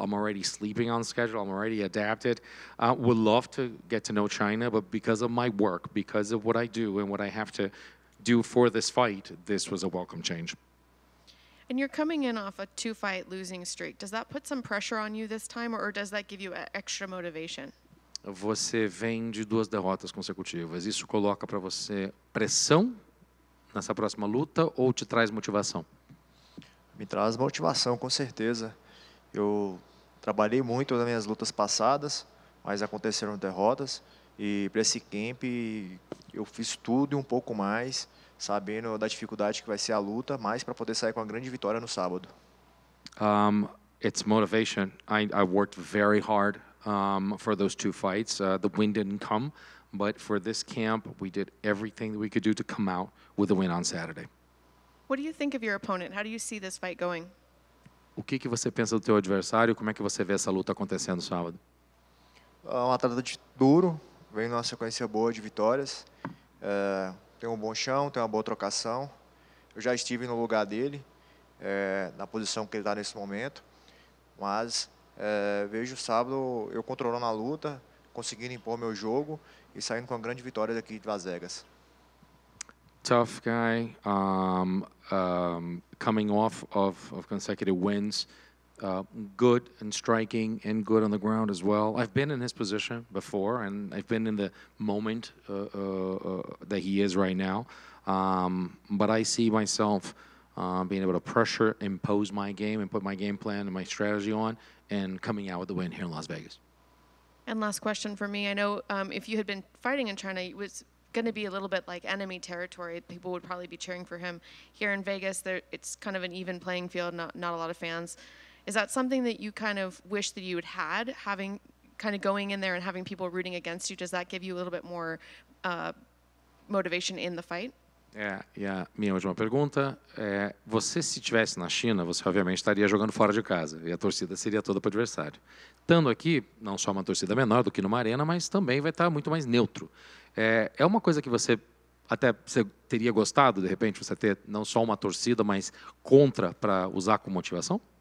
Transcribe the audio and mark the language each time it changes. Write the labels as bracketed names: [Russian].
[English] I'm already sleeping on schedule. I'm already adapted. Would love to get to know China, but because of my work, because of what I do and what I have to do for this fight, this was a welcome change. And you're coming in off a 2-fight losing streak. Does that put some pressure on you this time, or does that give you extra motivation? [Portuguese] Você vem de 2 derrotas consecutivas. Isso coloca para você pressão nessa próxima luta ou te traz motivação? Me traz motivação, com certeza. Eu trabalhei muito nas minhas lutas passadas, mas aconteceram derrotas. E para esse camp, eu fiz tudo e um pouco mais, sabendo da dificuldade que vai ser a luta, mas para poder sair com a grande vitória no sábado. [English] It's motivation. I worked very hard for those 2 fights. The win didn't come, but for this camp, we did everything that we could do to come out with a win on Saturday. What do you think of your opponent? How do you see this fight going? [Portuguese] O que que você pensa do teu adversário? Como é que você vê essa luta acontecendo no sábado? Um atleta de duro, vem numa sequência boa de vitórias. Tem um bom chão, tem uma boa trocação. Eu já estive no lugar dele, na posição que ele está nesse momento. Mas vejo o sábado eu controlando a luta, conseguindo impor meu jogo e saindo com a grande vitória daqui de Las Vegas. [English] Tough guy, coming off of consecutive wins. Good in striking and good on the ground as well. I've been in his position before, and I've been in the moment that he is right now. But I see myself being able to pressure, impose my game, and put my game plan and my strategy on, and coming out with the win here in Las Vegas. And last question for me. I know if you had been fighting in China, it was going to be a little bit like enemy territory. People would probably be cheering for him. Here in Vegas, it's kind of an even playing field, not a lot of fans. Is that something that you kind of wish that you had, having kind of going in there and having people rooting against you? Does that give you a little bit more motivation in the fight? [Portuguese] Minha última pergunta é, você se estivesse na China, você obviamente estaria jogando fora de casa, e a torcida seria toda para o adversário. Estando aqui, não só uma torcida menor do que numa arena, mas também vai estar muito mais neutro. É uma coisa que você até você teria gostado, de repente, você ter não só uma torcida, mas contra para usar como motivação?